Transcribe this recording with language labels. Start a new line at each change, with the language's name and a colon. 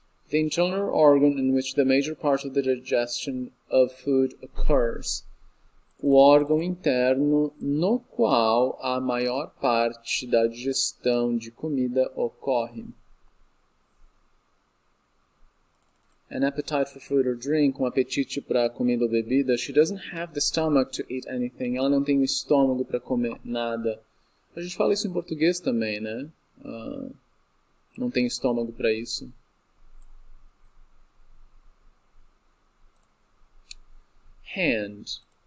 English: The internal organ in which the major part of the digestion of food occurs.
Portuguese: O órgão interno no qual a maior parte da digestão de comida ocorre.
English: An appetite for food or drink,
Portuguese: um apetite para comida ou bebida.
English: She doesn't have the stomach to eat anything.
Portuguese: Ela não tem o estômago para comer nada. A gente fala isso em português também, né? Não tem estômago para isso.
English: Hand.